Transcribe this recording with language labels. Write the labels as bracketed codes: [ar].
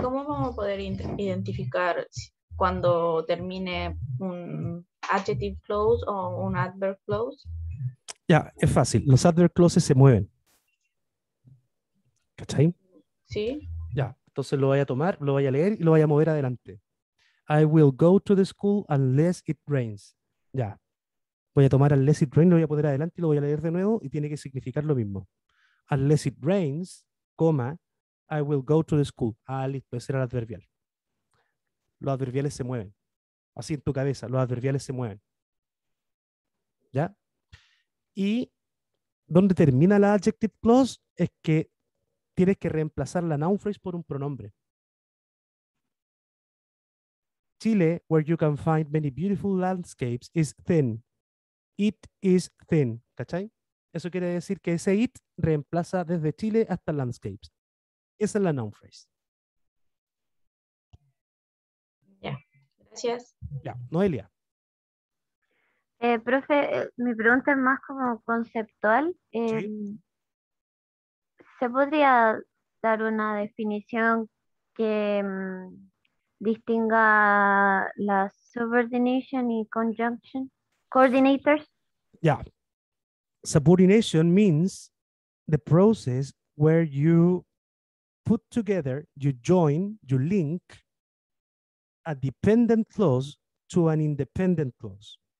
[es] ¿Cómo vamos a poder identificar cuando termine un adjective clause o un adverb clause? Ya, es fácil. Los adverb clauses se mueven. ¿Cachai? Sí. Ya, entonces lo voy a tomar, lo voy a leer y lo voy a mover adelante. [en] I will go to the school unless it rains. [es] Ya. Voy a tomar [en] unless it rains, [es] lo voy a poner adelante y lo voy a leer de nuevo y tiene que significar lo mismo. [en] Unless it rains, comma, I will go to the school. [es] Ah, listo, ese era el adverbial. Los adverbiales se mueven. Así en tu cabeza, los adverbiales se mueven. ¿Ya? Y donde termina la adjective clause es que tienes que reemplazar la noun phrase por un pronombre. [en] Chile, where you can find many beautiful landscapes, is thin. It is thin. [es] ¿Cachai? Eso quiere decir que ese it reemplaza desde Chile hasta landscapes. Esa es la noun phrase. Ya. [en] Yeah. [es] Gracias. Ya. Noelia. Profe, mi pregunta es más como conceptual. ¿Sí? ¿Se podría dar una definición que distinga la subordination y conjunction, coordinators? [en] Yeah. Subordination means the process where you put together, you join, you link a dependent clause to an independent clause.